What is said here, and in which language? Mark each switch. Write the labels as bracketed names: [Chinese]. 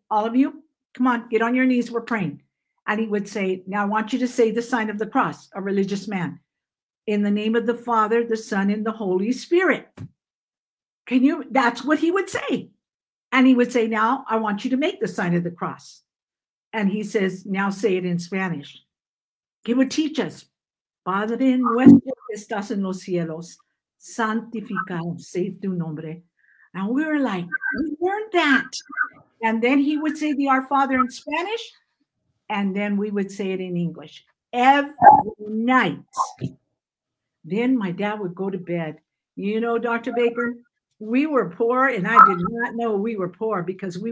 [English] All of you, come on, get on your knees. We're praying. And he would say, now I want you to say the sign of the cross, a religious man, in the name of the Father, the Son, and the Holy Spirit. That's what he would say. And he would say, now I want you to make the sign of the cross. And he says, now say it in Spanish. He would teach us, [Spanish] Padre nuestro que estás en los cielos, santificado sea tu nombre. [English] And we were like, we learned that. And then he would say the Our Father in Spanish. And then we would say it in English every night. Then my dad would go to bed. You know, Dr. Baker, We were poor, and I did not know we were poor because we